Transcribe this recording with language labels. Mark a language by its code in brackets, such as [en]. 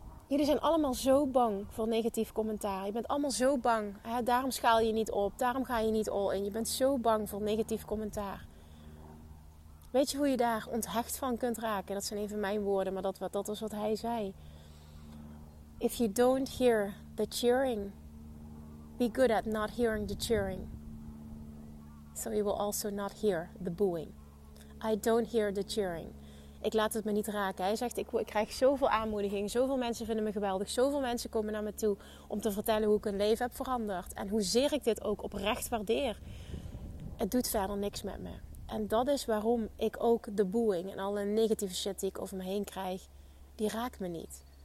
[nl] Jullie zijn allemaal zo bang voor negatief commentaar. Je bent allemaal zo bang. Hè? Daarom schaal je niet op. Daarom ga je niet all in. Je bent zo bang voor negatief commentaar. Weet je hoe je daar onthecht van kunt raken? Dat zijn even mijn woorden, maar dat was wat hij zei. [en] If you don't hear the cheering, be good at not hearing the cheering. So you will also not hear the booing. I don't hear the cheering. [nl] Ik laat het me niet raken. Hij zegt, ik krijg zoveel aanmoediging. Zoveel mensen vinden me geweldig. Zoveel mensen komen naar me toe om te vertellen hoe ik hun leven heb veranderd. En hoezeer ik dit ook oprecht waardeer. Het doet verder niks met me. En dat is waarom ik ook de booing en alle negatieve shit die ik over me heen krijg, die raakt me niet.